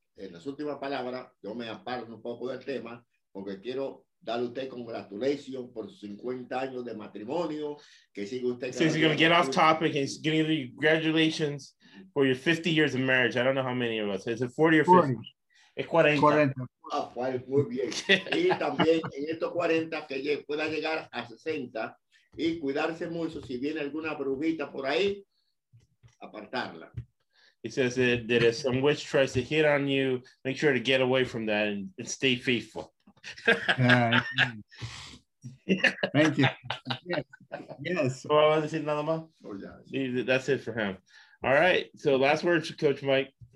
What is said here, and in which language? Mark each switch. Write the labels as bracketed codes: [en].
[es] En las últimas palabras, yo me aparto un poco del tema porque quiero darle a usted congratulations por sus 50 años de matrimonio. Que sigue usted. [en] Since you're going to get off topic, he's giving you congratulations for your 50 years of marriage. I don't know how many of us. Is it 40 or 50? 40. [es] Es 40. [en] 40. [es] Ah, pues, muy bien. Y también en estos 40 que pueda llegar a 60 y cuidarse mucho. Si viene alguna brujita por ahí, apartarla. [en] He says that if some witch tries to hit on you, make sure to get away from that and stay faithful. Thank you. Yes. Oh, I wasn't seeing another one. Oh, yeah. That's it for him. All right. So last words, Coach Mike.